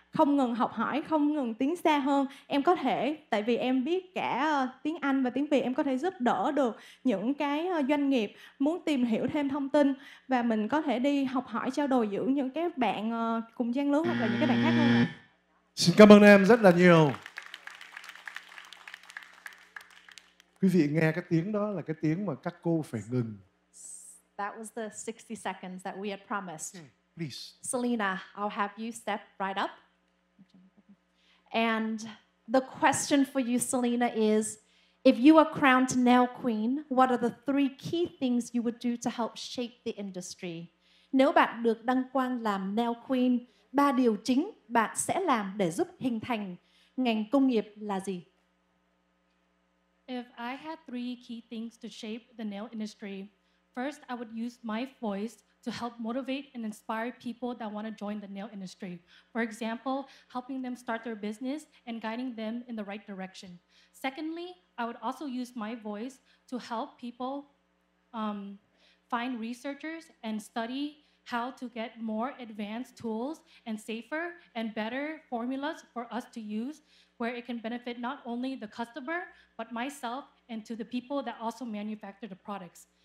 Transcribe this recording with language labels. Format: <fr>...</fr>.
<vi>không ngừng học hỏi, không ngừng tiến xa hơn. Em có thể, tại vì em biết cả tiếng Anh và tiếng Việt, em có thể giúp đỡ được những cái doanh nghiệp muốn tìm hiểu thêm thông tin, và mình có thể đi học hỏi, trao đổi giữa những cái bạn cùng trang lứa hoặc là những cái bạn khác hơn. Xin cảm ơn em rất là nhiều. Quý vị nghe cái tiếng đó là cái tiếng mà các cô phải ngừng.</vi> <en>That was the 60 seconds that we had promised. Please. Selena, I'll have you step right up. And the question for you, Selena, is if you are crowned nail queen, what are the three key things you would do to help shape the industry?</en> <vi>Nếu bạn được đăng quang làm nail queen, ba điều chính bạn sẽ làm để giúp hình thành ngành công nghiệp là gì?</vi> <en>If I had three key things to shape the nail industry, first, I would use my voice to help motivate and inspire people that want to join the nail industry. For example, helping them start their business and guiding them in the right direction. Secondly, I would also use my voice to help people find researchers and study how to get more advanced tools and safer and better formulas for us to use where it can benefit not only the customer, but myself and to the people that also manufacture the products.</en>